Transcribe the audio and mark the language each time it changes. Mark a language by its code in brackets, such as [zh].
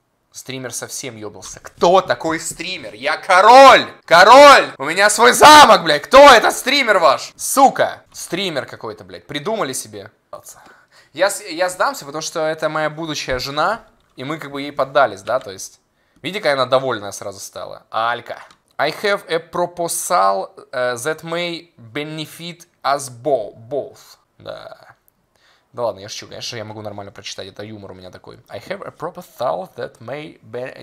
[ru] Стример совсем ёбался. Кто такой стример? Я король! Король! У меня свой замок, блядь! Кто этот стример ваш? Сука! Стример какой-то, блядь. Придумали себе. Я сдамся, потому что это моя будущая жена, и мы как бы ей поддались, да, то есть. Видите, как она довольная сразу стала. Алька. [en] I have a proposal that may benefit us both. [ru] Да. Да ладно, я шучу, конечно, я могу нормально прочитать, это юмор у меня такой. [en] I have a proposal that may be...